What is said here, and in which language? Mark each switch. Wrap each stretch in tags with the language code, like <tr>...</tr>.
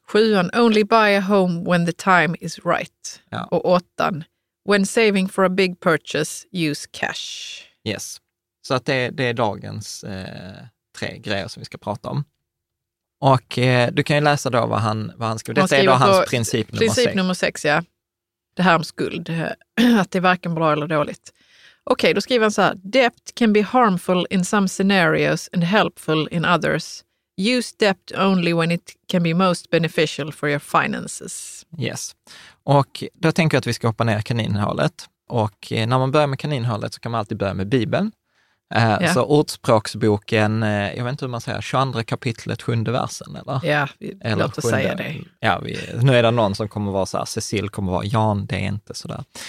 <sv>Sjuan,</sv> <en>only buy a home when the time is right.</en> <sv>Ja. Och åttan,</sv> <en>when saving for a big purchase, use cash.</en> <sv>Yes, så att det är dagens tre grejer som vi ska prata om. Och du kan ju läsa då vad han skriver. Detta är då hans princip nummer sex, ja. Det här om skuld, att det är varken bra eller dåligt. Okej, då skriver han så här.</sv> <en>Debt can be harmful in some scenarios and helpful in others. Use debt only when it can be most beneficial for your finances. Yes.</en> <sv>Och då tänker jag att vi ska hoppa ner kaninhålet. Och när man börjar med kaninhålet så kan man alltid börja med Bibeln. Så ordspråksboken, jag vet inte hur man säger, 22 kapitlet, 7 versen, eller? Ja, eller låt oss säga det. Ja, nu är det någon som kommer vara så här, Cecil kommer vara, Jan, det är inte sådär.</sv>